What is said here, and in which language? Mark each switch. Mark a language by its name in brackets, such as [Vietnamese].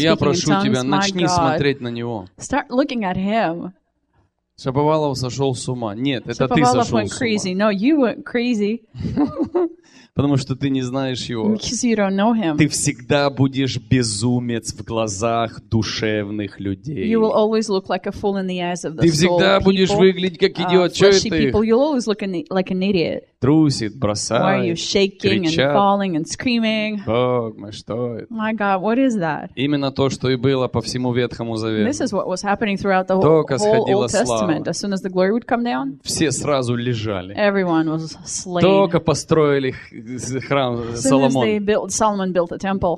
[Russian] я прошу тебя, начни смотреть на него. [English] Start looking at him. [Russian] Шаповалов сошел с ума. Нет, это ты сошел с ума. [English] Шаповалов went crazy. No, you went crazy. [Russian] Потому что ты не знаешь его. [English] Because you don't know him. [Russian] Ты всегда будешь безумец в глазах душевных людей. [English] You will always look like a fool in the eyes of the [Russian] Ты всегда будешь выглядеть как идиот. Че это их? [English] You'll always look like an idiot. [Russian] Трусит, бросает, [English] Why are you shaking [Russian] кричат. [English] And falling and screaming? [Russian] Бог мой, что это? [English] My God, what is that? [Russian] Именно то, что и было по всему Ветхому Завету. [English] This is what was happening throughout the whole Old Testament. As soon as the glory would come down, [Russian] все сразу лежали. [English] Everyone was slain. [Russian] Только построили храм Соломон. [English] As soon as they built, Solomon built a temple.